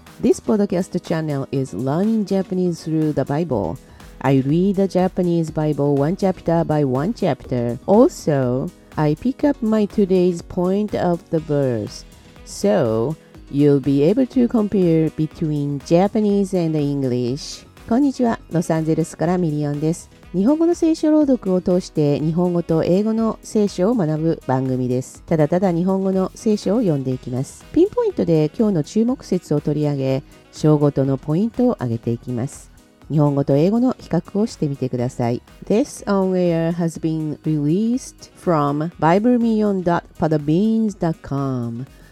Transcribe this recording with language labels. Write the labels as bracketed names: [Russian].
[English] This podcast channel is learning Japanese through the Bible. I read the Japanese Bible one chapter by one chapter. Also, I pick up my today's point of the verse. So, you'll be able to compare between Japanese and English. [Japanese] こんにちは、ロサンゼルスからミリオンです。日本語の聖書朗読を通して日本語と英語の聖書を学ぶ番組です。ただただ日本語の聖書を読んでいきます。ピンポイントで今日の注目節を取り上げ、章ごとのポイントを挙げていきます。日本語と英語の比較をしてみてください。 [English] This on-air has been released from BibleMillion.podbeans.com。